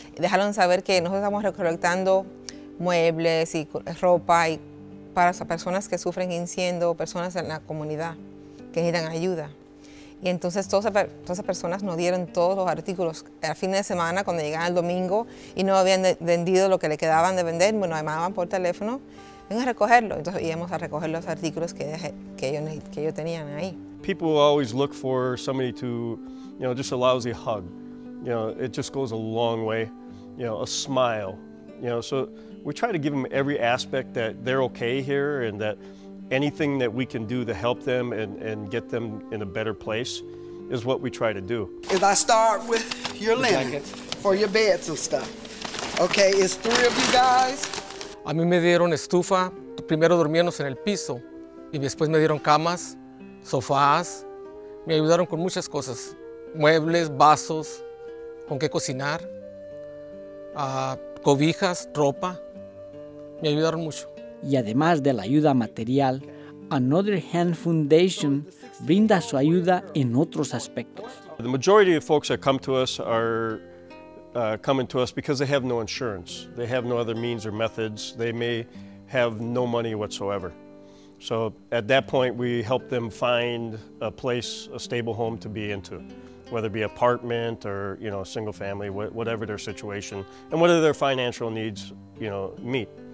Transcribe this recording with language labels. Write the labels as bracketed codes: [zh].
[es] Dejaron saber que nosotros estamos recolectando muebles y ropa y para personas que sufren incendio, personas en la comunidad que necesitan ayuda. Y entonces todas esas personas nos dieron todos los artículos. Al fin de semana, cuando llegaban el domingo y no habían vendido lo que le quedaban de vender, nos llamaban por teléfono, ven a recogerlo. Entonces íbamos a recoger los artículos que ellos tenían ahí. [en] People will always look for somebody to, you know, just a lousy hug. You know, it just goes a long way. You know, a smile. You know, so we try to give them every aspect that they're okay here and that anything that we can do to help them and get them in a better place is what we try to do. If I start with your linen for your beds and stuff, okay, it's three of you guys. [es] A mí me dieron estufa, primero dormíamos en el piso y después me dieron camas, sofás, me ayudaron con muchas cosas, muebles, vasos, con qué cocinar, cobijas, ropa, me ayudaron mucho. Y además de la ayuda material, Another Hand Foundation brinda su ayuda en otros aspectos. [en] The majority of folks that come to us are coming to us because they have no insurance. They have no other means or methods. They may have no money whatsoever. So at that point, we help them find a place, a stable home to be into, whether it be apartment or, you know, a single family, whatever their situation, and whatever their financial needs, you know, meet.